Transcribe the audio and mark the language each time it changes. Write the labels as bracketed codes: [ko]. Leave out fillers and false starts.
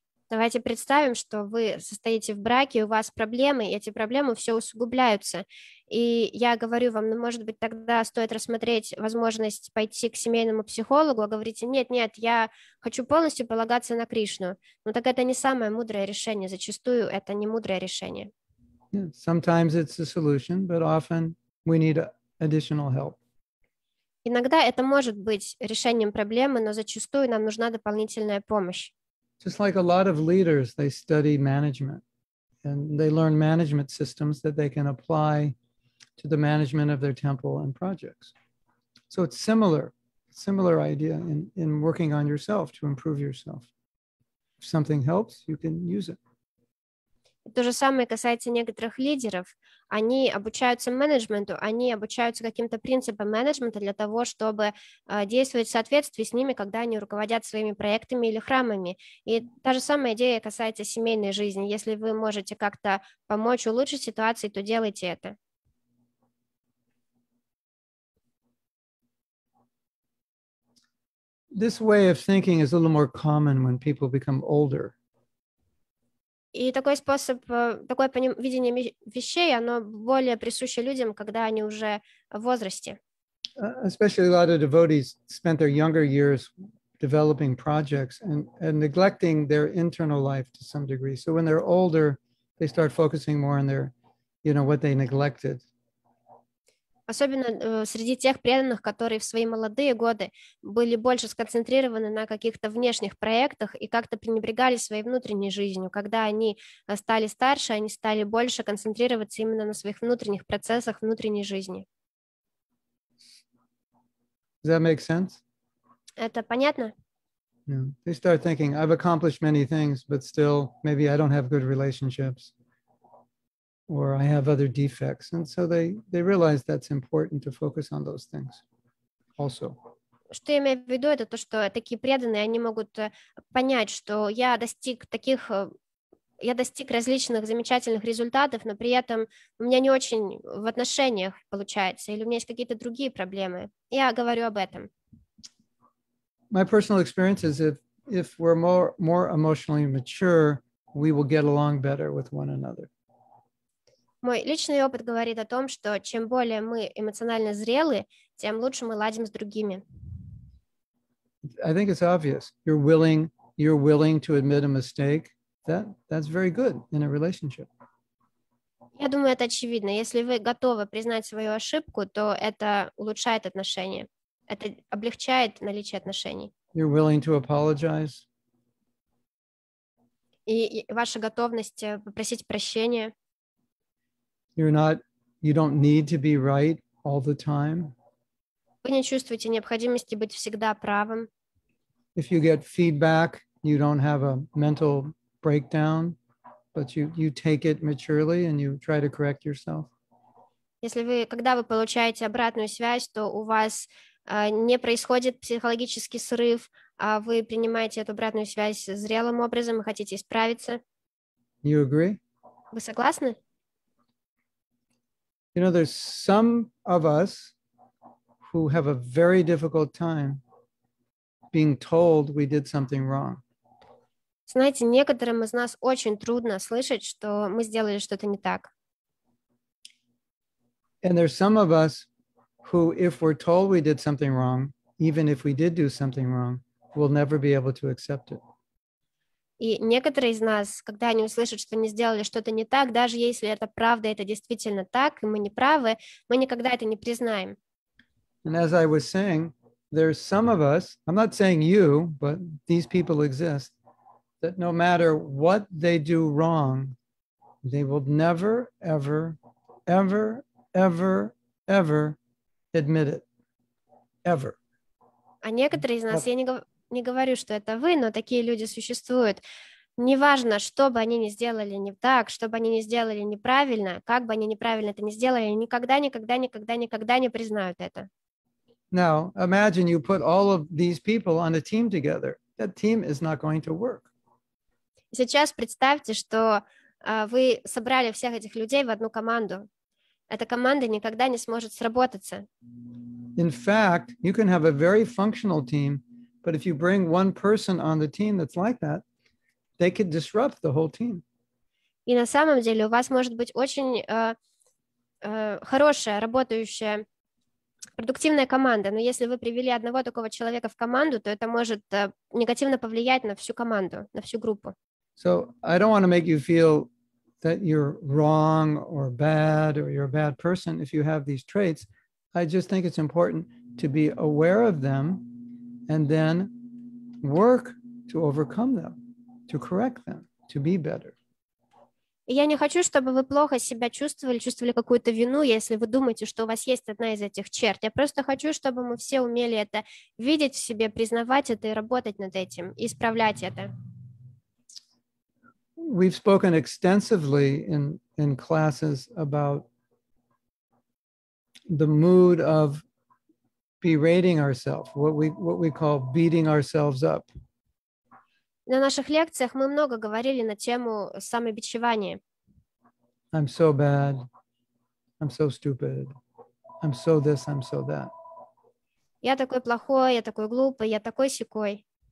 [ru] Давайте представим, что вы состоите в браке, у вас проблемы, и эти проблемы все усугубляются. И я говорю вам, ну, может быть, тогда стоит рассмотреть возможность пойти к семейному психологу, а говорите, нет, я хочу полностью полагаться на Кришну. Ну, так это не самое мудрое решение. Зачастую это не мудрое решение. [en] Sometimes it's a solution, but often we need additional help. [ru] Иногда это может быть решением проблемы, но зачастую нам нужна дополнительная помощь. [en] Just like a lot of leaders, they study management and they learn management systems that they can apply to the management of their temple and projects. So it's similar idea in working on yourself to improve yourself. If something helps, you can use it. [ru] То же самое касается некоторых лидеров. Они обучаются менеджменту, они обучаются каким-то принципам менеджмента для того, чтобы действовать в соответствии с ними, когда они руководят своими проектами или храмами. И та же самая идея касается семейной жизни. Если вы можете как-то помочь улучшить ситуацию, то делайте это. [en] This way of thinking is a little more common when people become older. [ru] И такой способ, такое видение вещей, оно более присуще людям, когда они уже в возрасте. [en] Especially a lot of devotees spent their younger years developing projects and neglecting their internal life to some degree. So when they're older, they start focusing more on their, you know, what they neglected. [ru] Особенно среди тех преданных, которые в свои молодые годы были больше сконцентрированы на каких-то внешних проектах и как-то пренебрегали своей внутренней жизнью. Когда они стали старше, они стали больше концентрироваться именно на своих внутренних процессах внутренней жизни. [en] Does that make sense? [ru] Это понятно? [en] Yeah. They start thinking, I've accomplished many things, but still, maybe I don't have good relationships, or I have other defects. And so they realize that's important to focus on those things also. [ru] Что я имею в виду, это то, что такие преданные, они могут понять, что я достиг таких, я достиг различных замечательных результатов, но при этом у меня не очень в отношениях получается, или у меня есть какие-то другие проблемы. Я говорю об этом. [en] My personal experience is if we're more emotionally mature, we will get along better with one another. [ru] Мой личный опыт говорит о том, что чем более мы эмоционально зрелы, тем лучше мы ладим с другими. [en] I think it's obvious. You're willing to admit a mistake. That's very good in a relationship. [ru] Я думаю, это очевидно. Если вы готовы признать свою ошибку, то это улучшает отношения. Это облегчает наличие отношений. [en] You're willing to apologize. [ru] И ваша готовность попросить прощения. [en] You don't need to be right all the time. [ru] Вы не чувствуете необходимости быть всегда правым. [en] If you get feedback, you don't have a mental breakdown, but you take it maturely and you try to correct yourself. [ru] Если вы, когда вы получаете обратную связь, то у вас не происходит психологический срыв, а вы принимаете эту обратную связь зрелым образом и хотите исправиться. [en] You agree? [ru] Вы согласны? [en] You know, there's some of us who have a very difficult time being told we did something wrong. [ru] Знаете, некоторым из нас очень трудно слышать, что мы сделали что-то не так. [en] And there's some of us who, if we're told we did something wrong, even if we did do something wrong, we'll never be able to accept it. [ru] И некоторые из нас, когда они услышат, что они сделали что-то не так, даже если это правда, это действительно так, и мы не правы, мы никогда это не признаем. [en] And as I was saying, there's some of us, I'm not saying you, but these people exist, that no matter what they do wrong, they will never, ever, ever, ever, ever admit it. Ever. [ru] А некоторые из нас, я не говорю, что это вы, но такие люди существуют. Неважно, что бы они ни сделали не так, что бы они ни сделали неправильно, как бы они неправильно это ни сделали, никогда, никогда, никогда, никогда не признают это. [en] Now, imagine you put all of these people on a team together. That team is not going to work. [ru] Сейчас представьте, что вы собрали всех этих людей в одну команду. Эта команда никогда не сможет сработаться. [en] In fact, you can have a very functional team, but if you bring one person on the team that's like that, they could disrupt the whole team. [ru] И на самом деле у вас может быть очень хорошая, работающая продуктивная команда, но если вы привели одного такого человека в команду, то это может негативно повлиять на всю команду, на всю группу. [en] So I don't want to make you feel that you're wrong or bad or you're a bad person if you have these traits. I just think it's important to be aware of them and then work to overcome them, to correct them, to be better. [ru] Я не хочу, чтобы вы плохо себя чувствовали, чувствовали какую-то вину, если вы думаете, что у вас есть одна из этих черт. Я просто хочу, чтобы мы все умели это видеть в себе, признавать это и работать над этим, и исправлять это. [en] We've spoken extensively in classes about the mood of berating ourselves, what we call beating ourselves up. [ru] На наших лекциях мы много говорили на тему самобичевания. [en] I'm so bad. I'm so stupid. I'm so this, I'm so that. [ru] Я такой плохой, я такой глупый, я такой сякой.